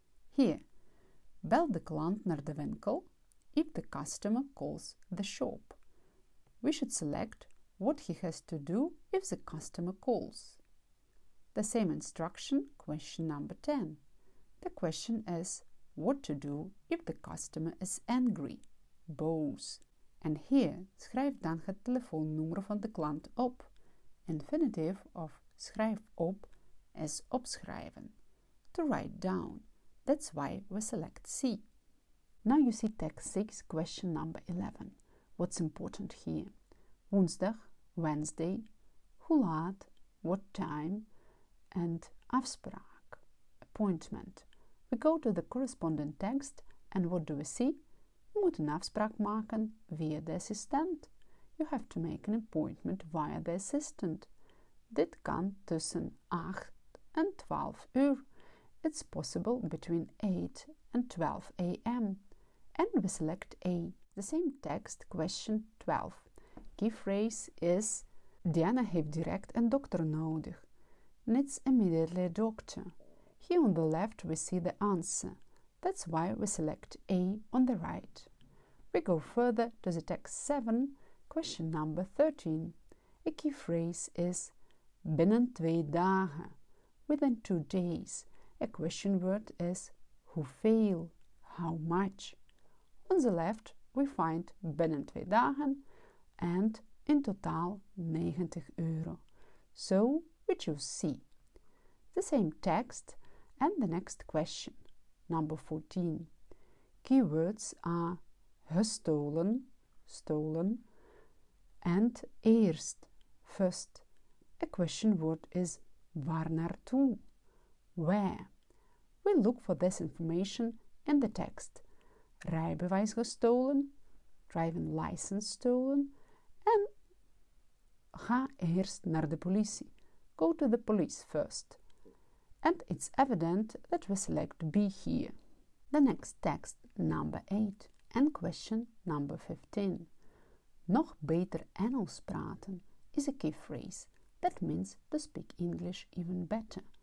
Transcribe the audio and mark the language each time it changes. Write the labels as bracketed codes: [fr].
[nl] Here, bel de klant naar de winkel [en] if the customer calls the shop. We should select what he has to do if the customer calls. The same instruction, question number 10. The question is what to do if the customer is angry. [nl] Boos. [en] And here, [nl] schrijf dan het telefoonnummer van de klant op. [en] Infinitive of schrijf op is opschrijven. To write down. That's why we select C. Now you see text 6, question number 11. What's important here? Woensdag, Wednesday, hoe laat, what time, and afspraak, appointment. We go to the corresponding text and what do we see? [nl] Je moet een afspraak maken via de assistent. [en] You have to make an appointment via the assistant. [nl] Dit kan tussen 8 en 12 uur. [en] It's possible between 8 and 12 a.m. And we select A. The same text, question 12. Key phrase is [nl] Diana heeft direct een dokter nodig. [en] Needs immediately a doctor. Here on the left we see the answer. That's why we select A on the right. We go further to the text 7, Question number 13. A key phrase is binnen 2 dagen, within 2 days. A question word is hoeveel, how much. On the left we find binnen 2 dagen and in total 90 euro. So we choose C. The same text and the next question, number 14. Keywords are gestolen, stolen, and eerst, first. A question word is waar naartoe, where. We look for this information in the text. [nl] Rijbewijs gestolen, [en] driving license stolen, [nl] en ga eerst naar de politie. [en] Go to the police first. And it's evident that we select B here. The next text, number 8, and question number 15. [nl] Nog beter Engels praten [en] is a key phrase. That means to speak English even better.